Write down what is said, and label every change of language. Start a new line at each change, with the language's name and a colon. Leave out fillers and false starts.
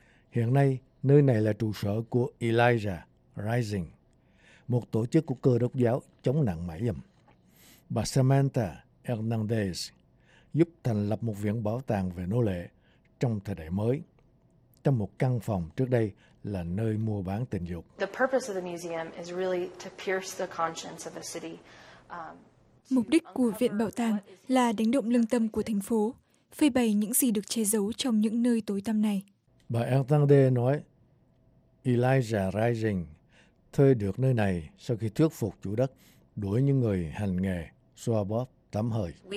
Vietnamese: Hiện nay, nơi này là trụ sở của Elijah Rising, một tổ chức của Cơ Đốc giáo chống nạn mại dâm. Bà Samantha Hernandez giúp thành lập một viện bảo tàng về nô lệ trong thời đại mới, trong một căn phòng trước đây là nơi mua bán tình dục.
English: The purpose of the museum is really to pierce the conscience of the city.
Vietnamese: Mục đích của Viện Bảo tàng là đánh động lương tâm của thành phố, phơi bày những gì được che giấu trong những nơi tối tăm này. Bà Hernandez nói, Elijah Rising thuê được nơi này sau khi thuyết phục chủ đất đuổi những người hành nghề xoa bóp tắm hơi.